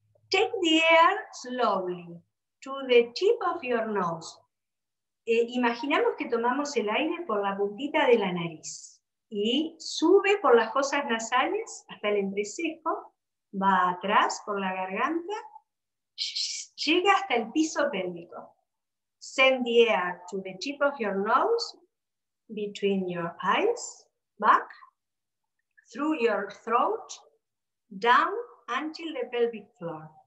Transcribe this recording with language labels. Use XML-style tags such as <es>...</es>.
<en>Take the air slowly to the tip of your nose.</en> <es>Imaginamos que tomamos el aire por la puntita de la nariz y sube por las fosas nasales hasta el entrecejo. Va atrás por la garganta, llega hasta el piso pélvico.</es> <en>Send the air to the tip of your nose, between your eyes, back, through your throat, down until the pelvic floor.</en>